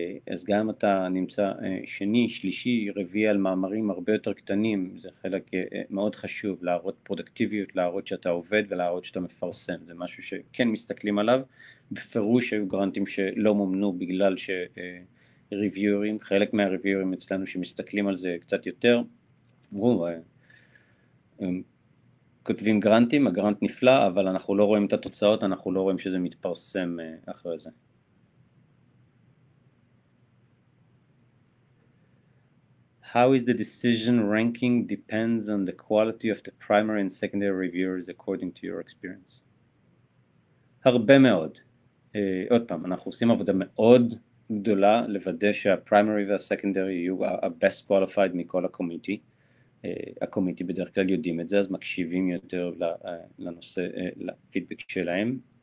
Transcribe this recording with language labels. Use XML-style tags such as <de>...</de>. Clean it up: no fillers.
<he>אז גם אתה נמצא שני, שלישי, רביעי על מאמרים הרבה יותר קטנים, זה חלק מאוד חשוב להראות פרודקטיביות, להראות שאתה עובד ולהראות שאתה מפרסם, זה משהו שכן מסתכלים עליו, בפירוש היו גרנטים שלא מומנו בגלל שריוויורים, חלק מהריוויורים אצלנו שמסתכלים על זה קצת יותר, אמרו, הם כותבים גרנטים, הגרנט נפלא, אבל אנחנו לא רואים את התוצאות, אנחנו לא רואים שזה מתפרסם אחרי זה.</he> <en>How is the decision ranking depends on the quality of the primary and secondary reviewers according to your experience?</en> <he>הרבה מאוד. עוד פעם, אנחנו עושים עבודה מאוד גדולה לוודא שה-primary וה-secondary יהיו ה-</he> <en>best qualified</en> <he>מכל ה-committee. ה-committee בדרך כלל יודעים את זה, אז מקשיבים יותר לנושא, לפידבק שלהם.</he>